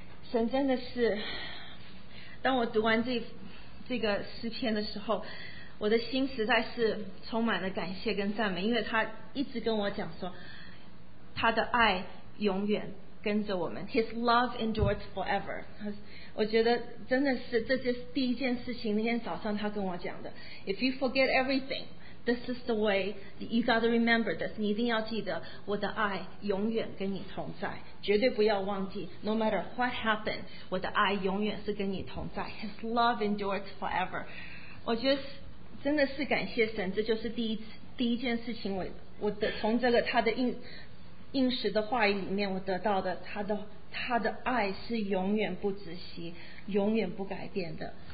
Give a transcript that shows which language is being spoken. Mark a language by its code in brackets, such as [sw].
[zh] 神真的是，当我读完这个诗篇的时候，我的心实在是充满了感谢跟赞美，因为他一直跟我讲说，他的爱永远跟着我们。 [en] His love endures forever. [zh] 我觉得真的是，这就是第一件事情，那天早上他跟我讲的。 [en] If you forget everything, this is the way that you got to remember this. [zh] 你一定要记得，我的爱永远跟你同在，绝对不要忘记。 [en] No matter what happened, [zh] 我的爱永远是跟你同在。 [en] His love endures forever. [zh] 我觉得真的是感谢神，这就是第一件事情我的从这个他的应许的话语里面我得到的，他的爱是永远不止息，永远不改变的。